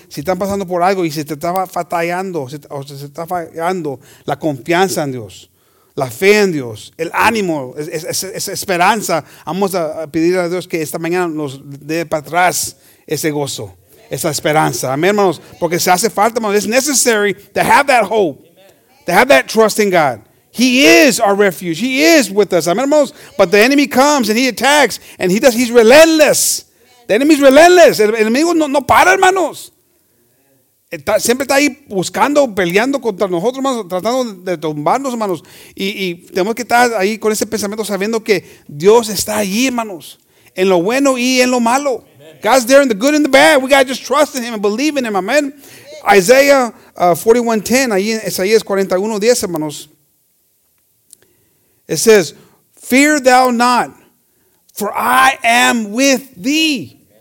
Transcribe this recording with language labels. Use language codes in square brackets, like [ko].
[es] Si están pasando por algo y se te está fatallando, o se está fallando la confianza en Dios, la fe en Dios, el ánimo, esa esperanza. Vamos a pedir a Dios que esta mañana nos dé para atrás ese gozo, esa esperanza. Amén, hermanos. Porque se hace falta, hermanos. [en] It's necessary to have that hope, to have that trust in God. He is our refuge. He is with us. [es] Amén, hermanos. [en] But the enemy comes and he attacks and he's relentless. The enemy's relentless. [es] El enemigo no para, hermanos. Siempre está ahí buscando, peleando contra nosotros, hermanos, tratando de tumbarnos, hermanos. Y tenemos que estar ahí con ese pensamiento sabiendo que Dios está ahí, hermanos, en lo bueno y en lo malo. Amen. [en] God's there in the good and the bad. We got to just trust in Him and believe in Him. Amen. [es] Isaiah 41:10, ahí en Isaías 41:10, hermanos. [en] It says, "Fear thou not, for I am with thee."